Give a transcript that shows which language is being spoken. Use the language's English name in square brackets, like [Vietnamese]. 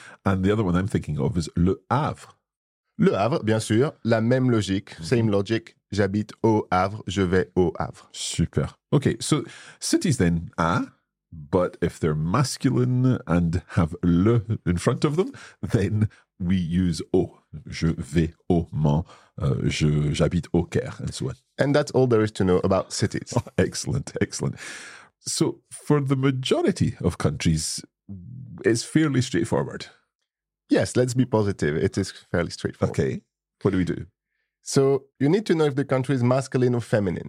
[English] And the other one I'm thinking of is Le Havre. [French] Le Havre, bien sûr. La même logique. [English] Same logic. [French] J'habite au Havre. Je vais au Havre. Super. [English] Okay, so cities then, A, but if they're masculine and have le in front of them, then we use au. [French] Je vais au Mans, j'habite au Caire, [English] and so on. And that's all there is to know about cities. Oh, excellent, excellent. So for the majority of countries, it's fairly straightforward. Yes, let's be positive. It is fairly straightforward. Okay, what do we do? So you need to know if the country is masculine or feminine.